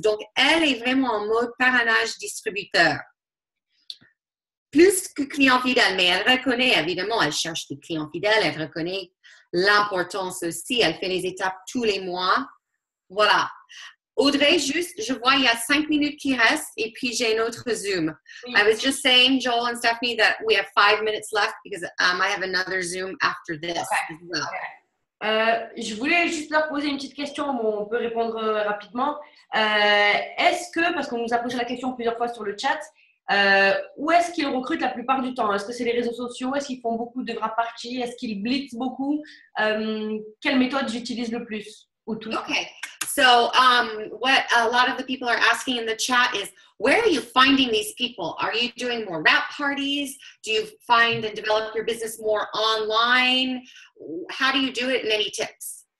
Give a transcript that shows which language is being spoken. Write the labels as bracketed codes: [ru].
[fr] Donc, elle est vraiment en mode parrainage distributeur. Plus que client fidèle, mais elle reconnaît, évidemment, elle cherche des clients fidèles. Elle reconnaît l'importance aussi. Elle fait les étapes tous les mois. Voilà. Audrey, juste, je vois il y a 5 minutes qui restent et puis j'ai un autre Zoom. Oui. [en] I was just saying, Joel and Stephanie, that we have 5 minutes left because I have another Zoom after this. Okay. As well. Okay. [fr] Je voulais juste leur poser une petite question, mais on peut répondre rapidement. Est-ce que, parce qu'on nous a posé la question plusieurs fois sur le chat, où est-ce qu'ils recrutent la plupart du temps? Est-ce que c'est les réseaux sociaux? Est-ce qu'ils font beaucoup de grab party? Est-ce qu'ils blitzent beaucoup? Quelle méthode j'utilise le plus? Ou tout? [en] Ok. So what a lot of the people are asking in the chat is, where are you finding these people? Are you doing more wrap parties? Do you find and develop your business more online? How do you do it? And any tips?